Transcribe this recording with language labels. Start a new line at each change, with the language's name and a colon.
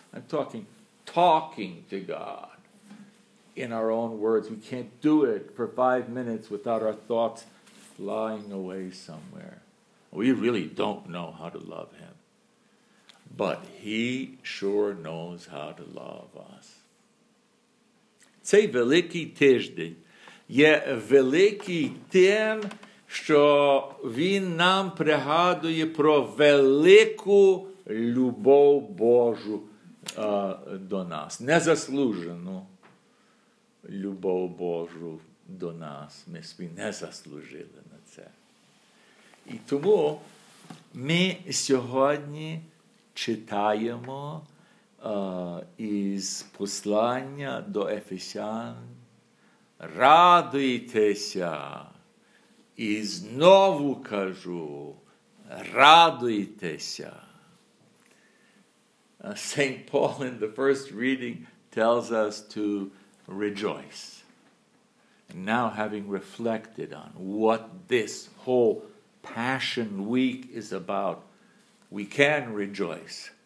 English: I'm talking to God in our own words. We can't do it for 5 minutes without our thoughts flying away somewhere. We really don't know how to love Him. But He sure knows how to love us.
Ukrainian: Цей великий тиждень є великий тим, що Він нам пригадує про велику любов Божу до нас. Незаслужену любов Божу до нас. Ми собі не заслужили на це. І тому ми сьогодні читаємо із послання до Ефесян: радуйтеся, і знову кажу, радуйтеся.
English: Saint Paul in the first reading tells us to rejoice. And now, having reflected on what this whole Passion Week is about, we can rejoice.